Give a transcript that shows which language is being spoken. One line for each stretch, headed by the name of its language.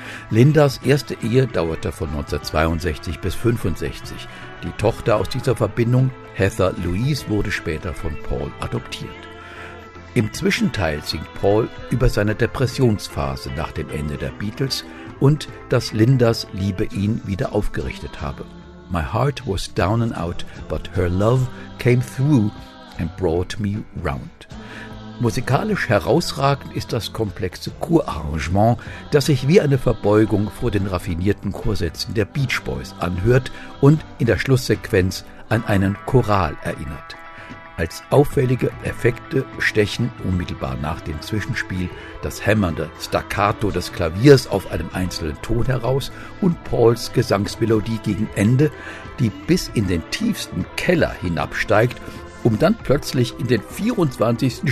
German: Lindas erste Ehe dauerte von 1962 bis 1965. Die Tochter aus dieser Verbindung, Heather Louise, wurde später von Paul adoptiert. Im Zwischenteil singt Paul über seine Depressionsphase nach dem Ende der Beatles und dass Lindas Liebe ihn wieder aufgerichtet habe.
English: My heart was down and out, but her love came through and brought me round.
German: Musikalisch herausragend ist das komplexe Chorarrangement, das sich wie eine Verbeugung vor den raffinierten Chorsätzen der Beach Boys anhört und in der Schlusssequenz an einen Choral erinnert. Als auffällige Effekte stechen unmittelbar nach dem Zwischenspiel das hämmernde Staccato des Klaviers auf einem einzelnen Ton heraus und Pauls Gesangsmelodie gegen Ende, die bis in den tiefsten Keller hinabsteigt, um dann plötzlich in den 24.